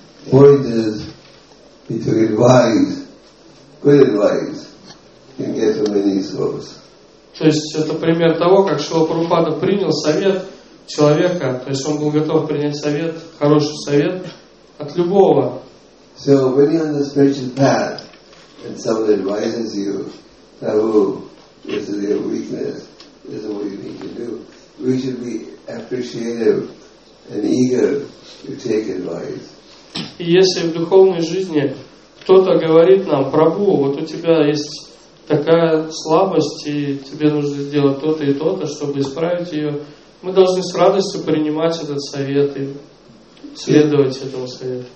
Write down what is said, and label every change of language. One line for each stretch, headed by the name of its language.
English: Point is, he took advice, good advice, can get from many sources.
Russian: То есть это пример того, как Шрила Прабхупада принял совет человека, то есть он был готов принять совет, хороший совет от любого.
English: So when you're on the spiritual path and someone advises you, Prabhu, this is your weakness, this is what you need to do, we should be appreciative and eager to take advice.
Russian: И если в духовной жизни кто-то говорит нам: Прабу, вот у тебя есть такая слабость, и тебе нужно сделать то-то и то-то, чтобы исправить ее, мы должны с радостью принимать этот совет и следовать этому совету.